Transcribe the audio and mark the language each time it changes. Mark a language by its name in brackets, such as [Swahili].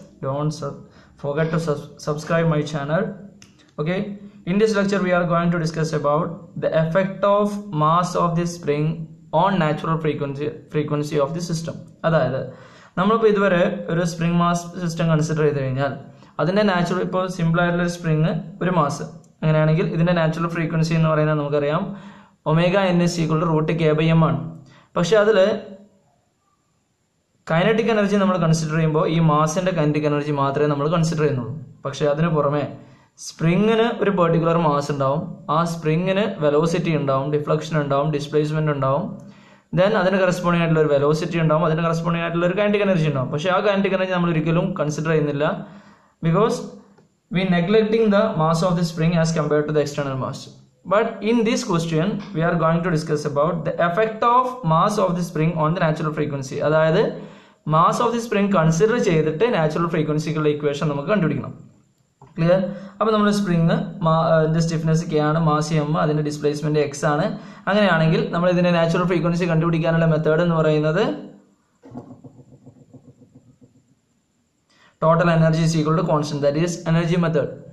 [English] Don't forget to subscribe my channel. Okay, in this lecture we are going to discuss about the effect of mass of the spring on natural frequency of the system. That is, we have considered a spring mass system. That is natural, simple spring mass. [Malayalam] അങ്ങനെയാണെങ്കിൽ ഇതിൻ്റെ natural frequency എന്ന് പറയുന്നത് നമുക്കറിയാം omega N S equal to root K by M ആണ്. പക്ഷേ അതിൽ kinetic energy നമ്മൾ consider ചെയ്യുമ്പോൾ ഈ മാസിൻ്റെ കൈനറ്റിക് എനർജി മാത്രമേ നമ്മൾ കൺസിഡർ ചെയ്യുന്നുള്ളൂ. പക്ഷേ അതിന് പുറമെ സ്പ്രിങ്ങിന് ഒരു പെർട്ടിക്കുലർ മാസ് ഉണ്ടാവും, ആ സ്പ്രിങ്ങിന് വെലോസിറ്റി ഉണ്ടാവും, ഡിഫ്ലക്ഷൻ ഉണ്ടാവും, ഡിസ്പ്ലേസ്മെൻ്റ് ഉണ്ടാവും, ദെൻ അതിന് കറസ്പോണ്ടിംഗ് ആയിട്ടുള്ള ഒരു വെലോസിറ്റി ഉണ്ടാവും, അതിന് കറസ്പോണ്ടിംഗ് ആയിട്ടുള്ള ഒരു കൈനറ്റിക് എനർജി ഉണ്ടാവും. പക്ഷേ ആ കൈനറ്റിക് എനർജി നമ്മൾ ഒരിക്കലും കൺസിഡർ ചെയ്യുന്നില്ല, [English] Because we neglecting the mass of the spring as compared to the external mass. But in this question we are going to discuss about the effect of mass of the spring on the natural frequency. [Malayalam] അതായത് [English] mass of the spring [Malayalam] consider ചെയ്തിട്ട് natural frequency ക്കുള്ള equation നമുക്ക് കണ്ടുപിടിക്കണം. Clear? അപ്പൊ നമ്മൾ spring ഇതിന്റെ stiffness K ആണ്, mass M, അതിന്റെ displacement X ആണ്. അങ്ങനെയാണെങ്കിൽ നമ്മൾ ഇതിന്റെ നാച്ചുറൽ ഫ്രീക്വൻസി കണ്ടുപിടിക്കാനുള്ള മെത്തേഡ് എന്ന് പറയുന്നത് [English] Total energy is equal to constant, that is energy method.